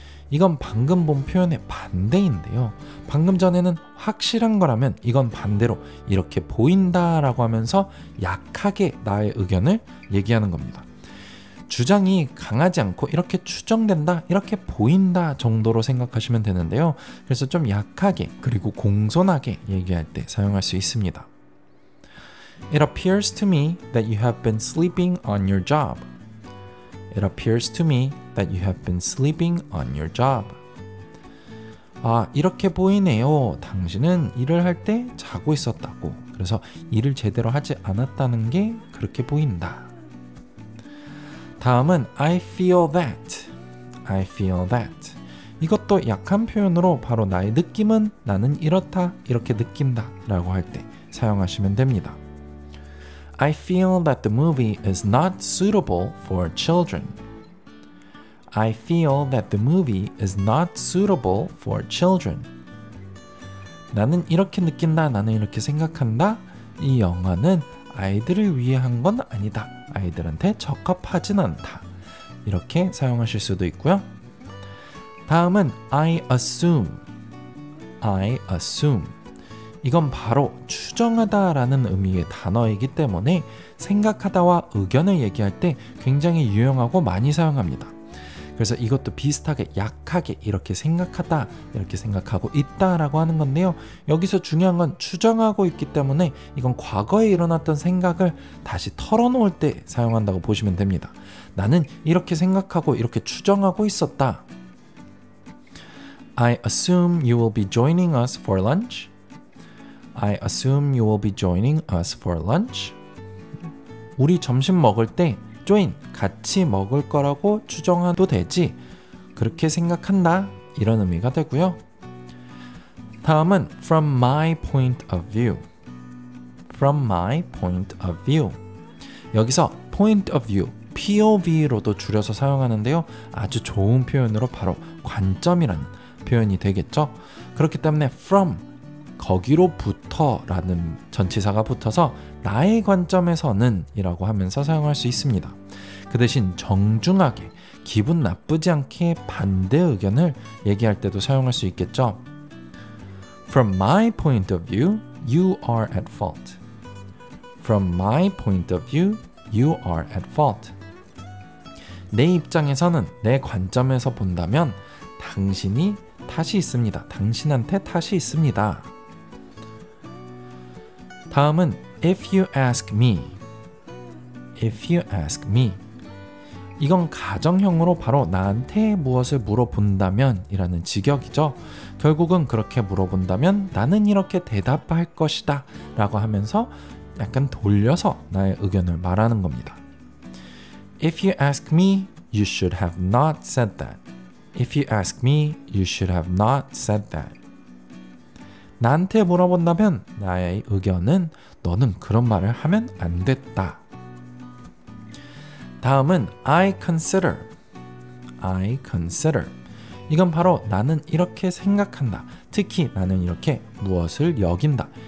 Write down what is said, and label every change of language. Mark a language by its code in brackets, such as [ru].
[ko] 이건 방금 본 표현의 반대인데요. 방금 전에는 확실한 거라면 이건 반대로 이렇게 보인다 라고 하면서 약하게 나의 의견을 얘기하는 겁니다. 주장이 강하지 않고 이렇게 추정된다, 이렇게 보인다 정도로 생각하시면 되는데요. 그래서 좀 약하게 그리고 공손하게 얘기할 때 사용할 수 있습니다. [en] It appears to me that you have been sleeping on your job. It appears to me that you have been sleeping on your job. [ko] 아, 이렇게 보이네요. 당신은 일을 할 때 자고 있었다고. 그래서 일을 제대로 하지 않았다는 게 그렇게 보인다. 다음은 [en] I feel that. I feel that. [ko] 이것도 약한 표현으로 바로 나의 느낌은 나는 이렇다, 이렇게 느낀다 라고 할 때 사용하시면 됩니다. [en] I feel that the movie is not suitable for children. I feel that the movie is not suitable for children. [ko] 나는 이렇게 느낀다. 나는 이렇게 생각한다. 이 영화는 아이들을 위해 한 건 아니다. 아이들한테 적합하진 않다. 이렇게 사용하실 수도 있고요. 다음은 [en] I assume. I assume. [ko] 이건 바로 추정하다 라는 의미의 단어이기 때문에 생각하다와 의견을 얘기할 때 굉장히 유용하고 많이 사용합니다. 그래서 이것도 비슷하게 약하게 이렇게 생각하다 이렇게 생각하고 있다 라고 하는 건데요. 여기서 중요한 건 추정하고 있기 때문에 이건 과거에 일어났던 생각을 다시 털어놓을 때 사용한다고 보시면 됩니다. 나는 이렇게 생각하고 이렇게 추정하고 있었다. [en] I assume you will be joining us for lunch. I assume you will be joining us for lunch. [ko] 우리 점심 먹을 때 join 같이 먹을 거라고 추정해도 되지. 그렇게 생각한다. 이런 의미가 되고요. 다음은 [en] from my point of view. From my point of view. [ko] 여기서 point of view, POV로도 줄여서 사용하는데요. 아주 좋은 표현으로 바로 관점이라는 표현이 되겠죠. 그렇기 때문에 from 거기로부터 라는 전치사가 붙어서 나의 관점에서는 이라고 하면서 사용할 수 있습니다. 그 대신 정중하게 기분 나쁘지 않게 반대 의견을 얘기할 때도 사용할 수 있겠죠. [en] From my point of view, you are at fault. From my point of view, you are at fault. [ko] 내 입장에서는 내 관점에서 본다면 당신이 탓이 있습니다. 당신한테 탓이 있습니다. 다음은 [en] if you ask me. If you ask me. [ko] 이건 가정형으로 바로 나한테 무엇을 물어본다면 이라는 직역이죠. 결국은 그렇게 물어본다면 나는 이렇게 대답할 것이다 라고 하면서 약간 돌려서 나의 의견을 말하는 겁니다. [en] If you ask me, you should have not said that. If you ask me, you should have not said that. [ko] 나한테 물어본다면 나의 의견은 너는 그런 말을 하면 안 됐다. 다음은 [en] I consider. I consider. [ko] 이건 바로 나는 이렇게 생각한다. 특히 나는 이렇게 무엇을 여긴다.